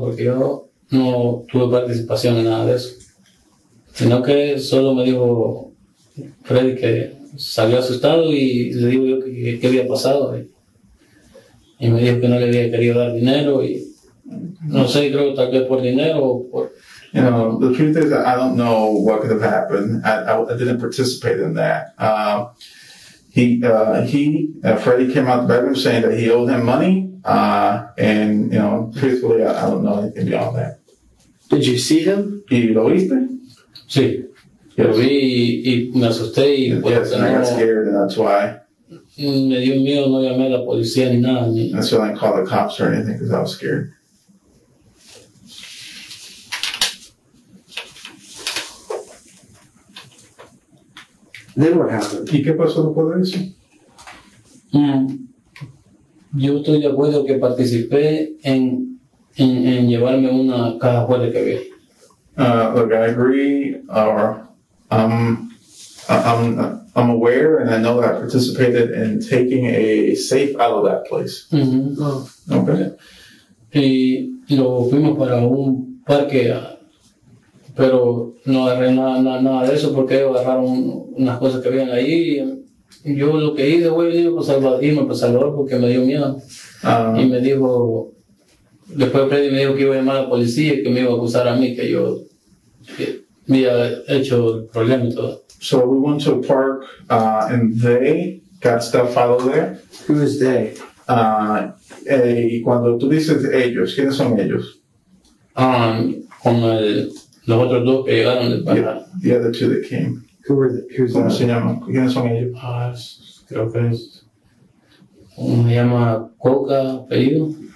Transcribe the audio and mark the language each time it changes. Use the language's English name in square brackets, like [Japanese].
[Spanish] Porque yo no tuve participación en nada de eso. Sino que solo me dijo Freddy que salió asustado y le digo yo qué había pasado. Y me dijo que no le había querido dar dinero y no sé, creo que tal vez por dinero o por... [English] You know, the truth is that I don't know what could have happened. I didn't participate in that. Freddy came out the bedroom saying that he owed him money. And you know, truthfully, I don't know anything beyond that. Did you see him? [Spanish] ¿Y lo viste? Sí. Yes. Lo vi y me asusté y [English] yes, and I got scared, and that's why. [Spanish] Me dio miedo, no llamé a la policía ni nada. Ni... [English] That's why I didn't call the cops or anything because I was scared. Then what happened? [Spanish] ¿Y qué pasó después de eso? Yo estoy de acuerdo que participé en llevarme una caja fuerte que había. [English] Look, I agree. I'm aware and I know that I participated in taking a safe out of that place. Mm-hmm. Oh. Okay. [Spanish] Y lo fuimos para un parque, pero no agarré nada de eso porque agarraron unas cosas que habían allí. Yo lo que hice fue irme para Salvador porque me dio miedo. Y me dijo, después Freddy me dijo que iba a llamar a la policía y que me iba a acusar a mí, que yo que me había hecho el problema y todo. [English] So we went to a park and they got stuff out of there. Who is they? [Spanish] Y cuando tú dices ellos, ¿quiénes son ellos? Con los otros dos que llegaron de [English] The other two that came. [Spanish] ¿Cómo se llama? ¿Quiénes son ellos? Paz, creo que es. Uno se llama Coca, apellido.